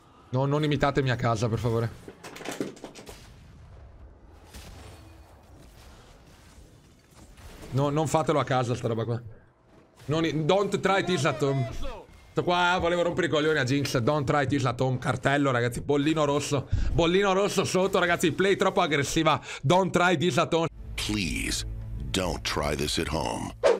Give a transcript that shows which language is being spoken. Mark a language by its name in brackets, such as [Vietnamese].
[Italian] No, non imitatemi a casa, per favore. No, non fatelo a casa, sta roba qua. Non [English] don't try this at home. [Italian] Sto qua, volevo rompere i coglioni a Jinx. [English] Don't try this at home. [Italian] Cartello, ragazzi. Bollino rosso. Bollino rosso sotto, ragazzi. Play troppo aggressiva. [English] Don't try this at home. Please, don't try this at home.